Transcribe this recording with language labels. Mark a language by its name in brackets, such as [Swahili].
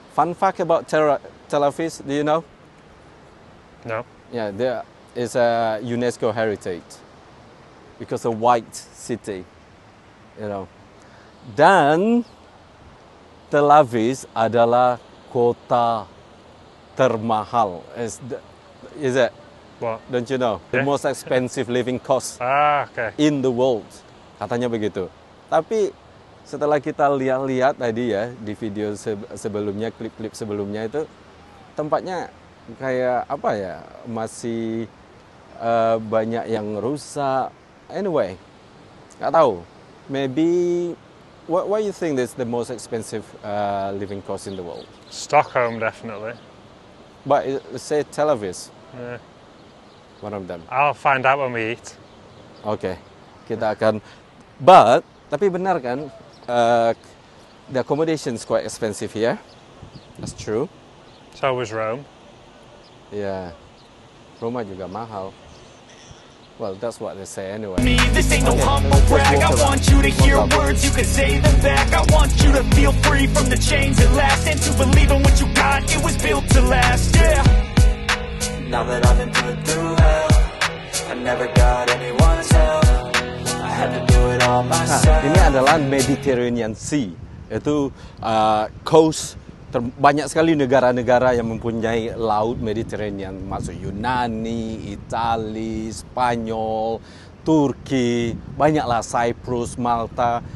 [English] Fun fact about Tel Aviv, do you know? No. Yeah, there is a UNESCO Heritage because a white city. you know. [Indonesian] Dan Tel Aviv adalah kota termahal. [English] Is it? What? Don't you know? The most expensive living cost in the world. [Indonesian] Katanya begitu. Tapi setelah kita lihat-lihat tadi ya, di video sebelumnya, klip-klip sebelumnya itu, tempatnya kayak apa ya, masih banyak yang rusak. Anyway, gak tahu. [English] Maybe, what you think is the most expensive living cost in the world? Stockholm, definitely. But say Tel Aviv. Yeah. One of them. I'll find out when we eat. [Indonesian] Okay, kita akan. [English] But, [Indonesian] tapi benar kan, [English] the accommodation is quite expensive here. That's true. So was Rome. Yeah, [Indonesian] Roma juga mahal. [English] Well, that's what they say anyway. Me, this ain't okay. No humble brag. I want you to hear words, you can say them back. I want you to feel free from the chains at last. And to believe in what you got, it was built to last, yeah. Now that I've been put through hell, I never got anyone's help. [Indonesian] Nah, ini adalah Mediterranean Sea. Itu coast, banyak sekali negara-negara yang mempunyai laut Mediterranean. Masuk Yunani, Itali, Spanyol, Turki, banyaklah Cyprus, Malta.